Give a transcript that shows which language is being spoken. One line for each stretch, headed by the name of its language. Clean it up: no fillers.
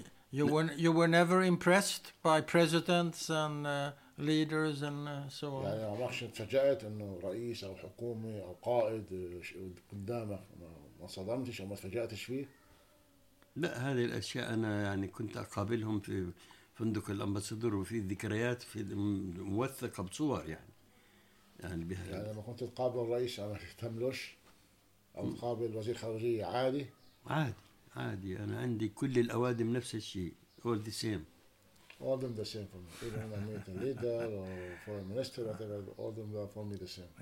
English: You were never impressed by presidents and leaders and so on.
Arabic: يعني ما شفت فجأت إنه رئيس أو حكومة أو قائد قدامك. ما صدمتش أو ما تفاجأتش فيه؟ لا، هذه الأشياء أنا يعني كنت أقابلهم في فندق الأمبسادور، وفي ذكريات في موثقة بصور يعني. يعني بها يعني لما كنت تقابل الرئيس أنا تملوش، أو تقابل وزير خارجية عادي؟ عادي عادي، أنا عندي كل الأوادم نفس الشيء،
English: all the same. All them the same for me. Even when I meet a leader or foreign minister, whatever, all them are for me the same.